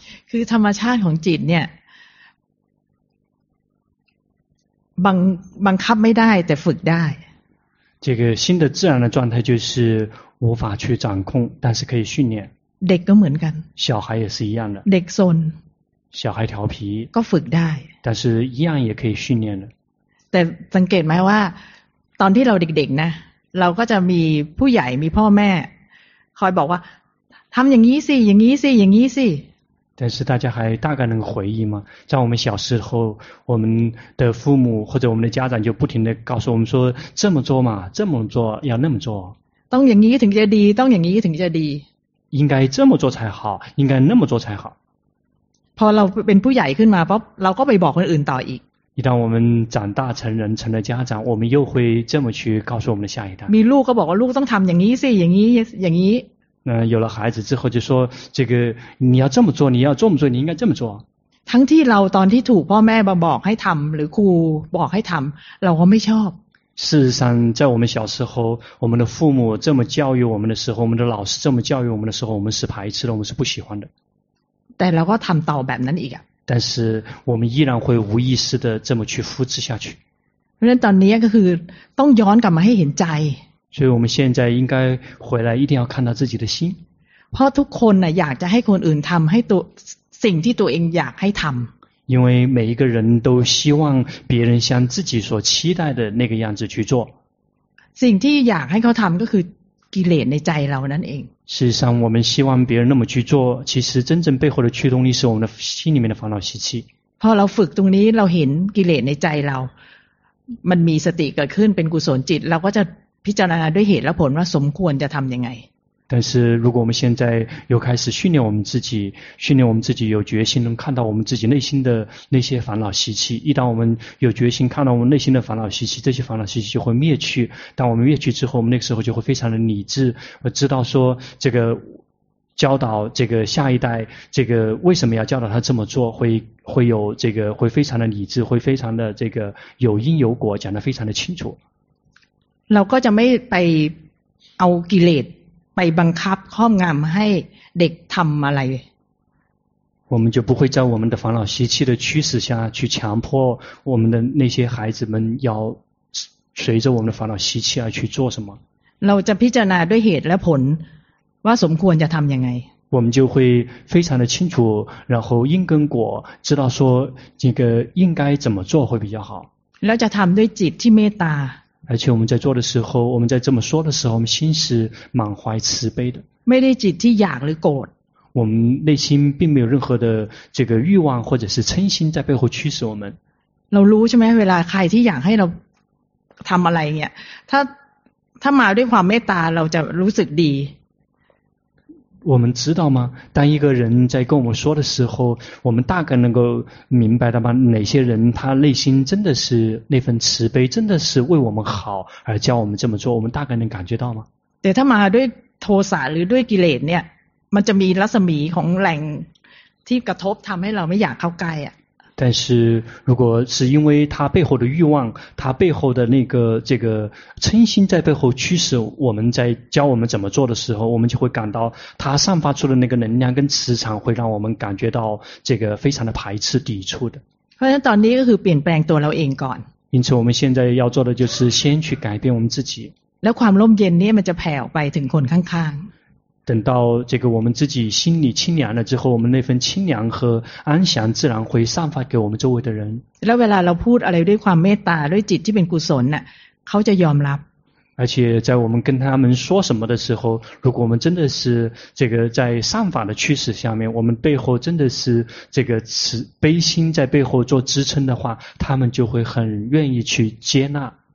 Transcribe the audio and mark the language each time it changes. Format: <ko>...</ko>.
<th>คือธรรมชาติของจิตเนี่ยบังคับไม่ได้แต่ฝึกได้</th> <zh>这个新的自然的状态就是无法去掌控但是可以训练</zh> <th>เด็กก็เหมือนกัน</th> <zh>小孩也是一样的</zh> <th>เด็กซน</th> <zh>小孩调皮</zh> <th>ก็ฝึกได้</th> <zh>但是一样也可以训练的</zh> <th>แต่สังเกตไหมว่าตอนที่เราเด็กๆนะเราก็จะมีผู้ใหญ่มีพ่อแม่คอยบอกว่าทำอย่างนี้สิอย่างนี้สิอย่างนี้สิ</th> <zh>但是大家还大概能回忆吗在我们小时候我们的父母或者我们的家长就不停地告诉我们说这么做嘛这么做要那么做</zh> <th>ต้องอย่างนี้ถึงจะดีต้องอย่างนี้ถึงจะดี</th> <zh>应该这么做才好应该那么做才好</zh> <th>พอเราเป็นผู้ใหญ่ขึ้นมาปุ๊บเราก็ไปบอกคนอื่นต่ออีก</th> <zh>一旦我们长大成人成了家长我们又会这么去告诉我们的下一代</zh> <th>มีลูกก็บอกว่าลูกต้องทำอย่างนี้สิอย่างนี้อย่างนี้</th> <zh>那有了孩子之后就说这个你要这么做你要这么做你应该这么做</zh> <th>ทั้งที่เราตอนที่ถูกพ่อแม่บอกให้ทำหรือครูบอกให้ทำเราก็ไม่ชอบ</th> <zh>事实上在我们小时候我们的父母这么教育我们的时候我们的老师这么教育我们的时候我们是排斥的我们是不喜欢的</zh> <th>แต่เราก็ทำต่อแบบนั้นอีก</th> <zh>但是我们依然会无意识的这么去复制下去</zh> <th>เพราะฉะนั้นตอนนี้ก็คือต้องย้อนกลับมาให้เห็นใจ</th> <zh>所以我们现在应该回来一定要看到自己的心</zh> <th>เพราะทุกคนน่ะอยากจะให้คนอื่นทำให้ตัวสิ่งที่ตัวเองอยากให้ทำ</th> <zh>因为每一个人都希望别人像自己所期待的那个样子去做</zh> <th>สิ่งที่อยากให้เขาทำก็คือกิเลสในใจเรานั่นเอง</th> <zh>事实上我们希望别人那么去做其实真正背后的驱动力是我们的心里面的烦恼习气</zh> <th>พอเราฝึกตรงนี้เราเห็นกิเลสในใจเรามันมีสติเกิดขึ้นเป็นกุศลจิตเราก็จะพิจารณาด้วยเหตุและผลว่าสมควรจะทำยังไง</th> <zh>但是如果我们现在又开始训练我们自己训练我们自己有决心能看到我们自己内心的那些烦恼习气一旦我们有决心看到我们内心的烦恼习气这些烦恼习气就会灭去当我们灭去之后我们那个时候就会非常的理智知道说这个教导这个下一代这个为什么要教导他这么做 会, 会有这个会非常的理智，会非常的这个有因有果，讲得非常的清楚。</zh> <th>เราก็จะไม่ไปเอากิเลสไปบังคับครอบงำให้เด็กทำอะไร</th> <zh>我们就不会在我们的烦恼习气的驱使下去强迫我们的那些孩子们要随着我们的烦恼习气而去做什么</zh> <th>เราจะพิจารณาด้วยเหตุและผลว่าสมควรจะทำยังไง</th> <zh>我们就会非常的清楚然后因跟果知道说这个应该怎么做会比较好</zh> <th>แล้วจะทำด้วยจิตที่เมตตา</th> <zh>而且我们在做的时候我们在这么说的时候我们心是满怀慈悲的</zh> <th>ไม่ได้จิตที่อยากหรือโกรธ</th> <zh>我们内心并没有任何的这个欲望或者是嗔心在背后驱使我们</zh> <th>เรารู้ใช่ไหมเวลาใครที่อยากให้เราทำอะไรเนี่ยถ้ามาด้วยความเมตตาเราจะรู้สึกดี</th> <zh>我们知道吗当一个人在跟我们说的时候我们大概能够明白的吗哪些人他内心真的是那份慈悲真的是为我们好而教我们这么做我们大概能感觉到吗</zh> <th>แต่ถ้ามาด้วยโทสะหรือด้วยกิเลสเนี่ยมันจะมีรัศมีของแหล่งที่กระทบทำให้เราไม่อยากเข้าใกล้อ่ะ</th> <zh>但是如果是因为他背后的欲望他背后的那个这个嗔心在背后驱使我们在教我们怎么做的时候我们就会感到他散发出的那个能量跟磁场会让我们感觉到这个非常的排斥抵触的</zh> <th>เพราะฉะนั้นตอนนี้ก็คือเปลี่ยนแปลงตัวเราเองก่อน</th> <zh>因此我们现在要做的就是先去改变我们自己</zh> <th>แล้วความร่มเย็นนี้มันจะแผ่ออกไปถึงคนข้าง</th> <zh>等到这个我们自己心里清凉了之后，我们那份清凉和安详自然会散发给我们周围的人。</zh> <th>แล้วเวลาเราพูดอะไรด้วยความเมตตาด้วยจิตที่เป็นกุศลน่ะเขาจะยอมรับ。</th> <zh>而且在我们跟他们说什么的时候，如果我们真的是这个在善法的驱使下面，我们背后真的是这个慈悲心在背后做支撑的话，他们就会很愿意去接纳。</zh>